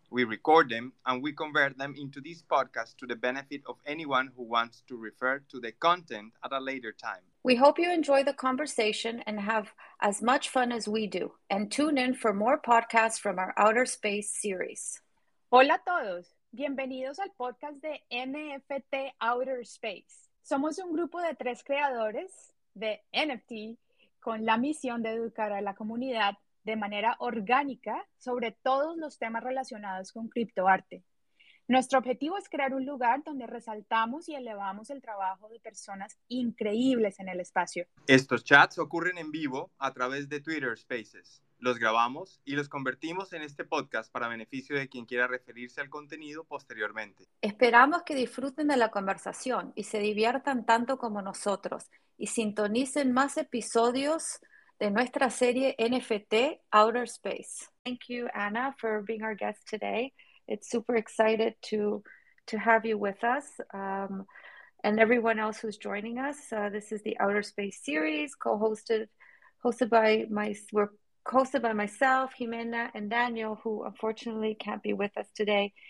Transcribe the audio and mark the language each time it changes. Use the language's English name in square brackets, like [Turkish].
[English] We record them and we convert them into this podcast to the benefit of anyone who wants to refer to the content at a later time. We hope you enjoy the conversation and have as much fun as we do. And tune in for more podcasts from our Outer Space series. [Spanish] Hola a todos. Bienvenidos al podcast de NFT Outer Space. Somos un grupo de tres creadores de NFT con la misión de educar a la comunidad de manera orgánica sobre todos los temas relacionados con criptoarte. Nuestro objetivo es crear un lugar donde resaltamos y elevamos el trabajo de personas increíbles en el espacio. Estos chats ocurren en vivo a través de Twitter Spaces. Los grabamos y los convertimos en este podcast para beneficio de quien quiera referirse al contenido posteriormente. Esperamos que disfruten de la conversación y se diviertan tanto como nosotros y sintonicen más episodios de nuestra serie NFT Outer Space. [English] Thank you, Ana, for being our guest today. It's super excited to have you with us and everyone else who's joining us. This is the Outer Space series co-hosted by myself, Jimena, and Daniel, who unfortunately can't be with us today.